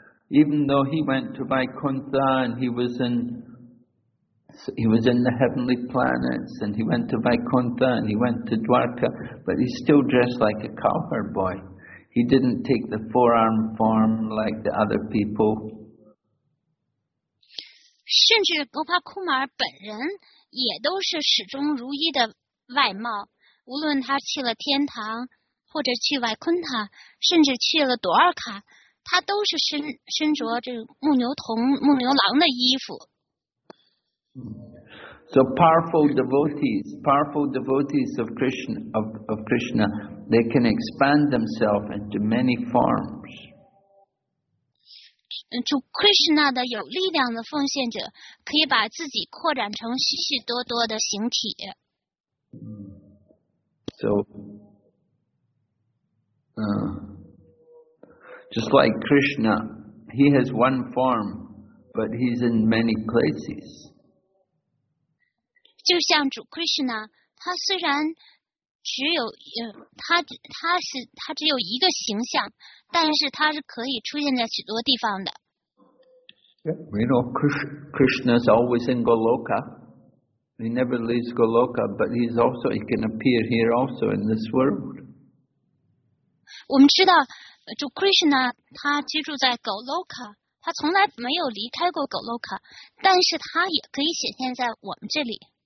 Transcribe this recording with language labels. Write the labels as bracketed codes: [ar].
[en] Even though he went to Vaikuntha and he was in the heavenly planets and he went to Vaikuntha and he went to Dwarka, but he's still dressed like a cowherd boy. He didn't take the forearm form like the other people. [zh] 甚至 Gopa Kumar 本人也都是始终如一的外貌，无论他去了天堂或者去外昆塔，甚至去了朵尔卡，他都是身着这牧牛童、牧牛郎的衣服。 [en] So powerful devotees of Krishna, they can expand themselves into many forms. [zh] 主 Krishna 的有力量的奉献者，可以把自己扩展成许许多多的形体。 [en] So, just like Krishna, he has one form, but he's in many places. [zh] 就像主 Krishna, 他虽然只有他只有一个形象，但是他是可以出现在许多地方的。 [en] Yeah, we know Krishna is always in Goloka. He never leaves Goloka, but he can appear here also in this world. [zh] 我们知道主 Krishna 他居住在 Goloka， 他从来没有离开过 Goloka， 但是他也可以显现在我们这里。